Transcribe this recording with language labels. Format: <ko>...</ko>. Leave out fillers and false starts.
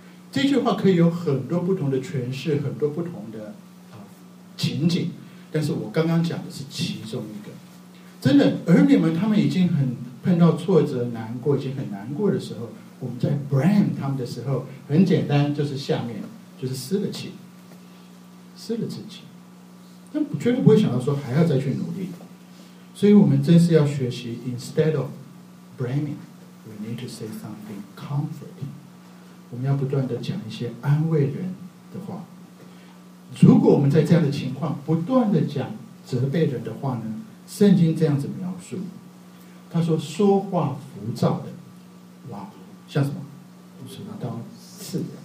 <zh>这句话可以有很多不同的诠释，很多不同的情景，但是我刚刚讲的是其中一个。真的，儿女们他们已经很碰到挫折难过，已经很难过的时候，我们在 blame 他们的时候很简单，就是下面就是失了气，失了自己，但绝对不会想到说还要再去努力。所以我们真是要学习</zh> <en>instead of blaming we need to say something comforting。</en> <zh>我们要不断地讲一些安慰人的话。如果我们在这样的情况不断地讲责备人的话呢，圣经这样子描述，他说说话浮躁的，哇，像什么什么刀刺的。</zh>